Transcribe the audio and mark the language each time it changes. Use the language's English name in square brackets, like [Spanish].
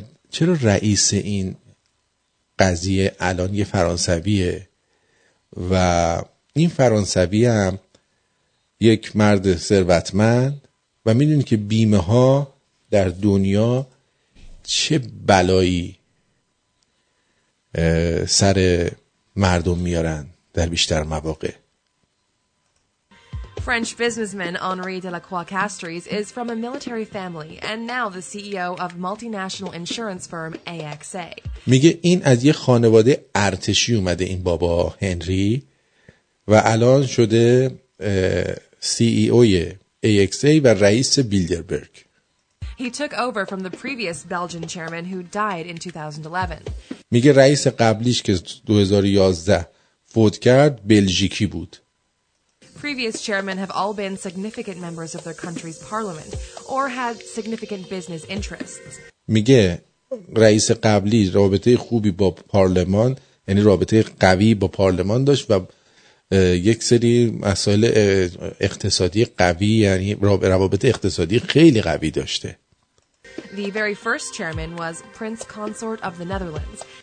[Persian] چرا رئیس این قضیه الان یه فرانسویه و این فرانسوی هم یک مرد ثروتمند و میدونی که بیمه ها در دنیا چه بلایی سر مردم میارن در بیشتر مواقع؟ [English] French businessman Henri Delacroix Castries is from a military family and now the CEO of multinational insurance firm AXA. [Persian] میگه این از یه خانواده ارتشی اومده این بابا هنری و الان شده CEO AXA و رئیس بیلدربرگ. [English] He took over from the previous Belgian chairman who died in 2011. [Persian] میگه رئیس قبلیش که 2011 فوت کرد بلژیکی بود. [English] Previous chairmen have all been significant members of their country's parliament or had significant business interests. [Persian] میگه رئیس قبلی رابطه خوبی با پارلمان، یعنی رابطه قوی با پارلمان داشت و یک سری مسائل اقتصادی قوی، یعنی روابط اقتصادی خیلی قوی داشته. [English] The very first chairman was Prince Consort of the Netherlands.